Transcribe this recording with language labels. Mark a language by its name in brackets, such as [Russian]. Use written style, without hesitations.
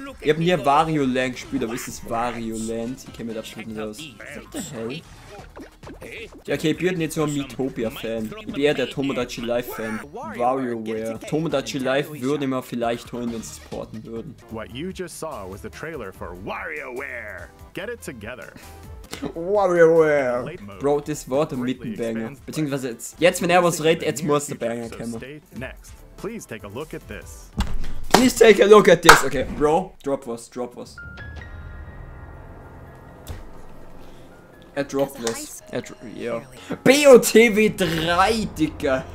[German] Ich hab nie Wario Land gespielt, aber ist das Wario Land? Ich kenne mir das schon aus. [English] What the hell? [German] Okay, ich bin jetzt so ein Miitopia-Fan. Ich bin eher der Tomodachi Life-Fan. WarioWare. Tomodachi Life würde ich mir vielleicht holen, wenn sie supporten würden. [English] What you just saw was the trailer for WarioWare. Get it together. [German] WarioWare. Bro, das war der Mittenbanger. Beziehungsweise jetzt, wenn er was redet, jetzt muss der Banger kommen. [English] Next, please take a look at this. Please take a look at this. Okay, Bro, drop was, drop was. [German] Er droppt was. Ja. BOTW 3, Digga.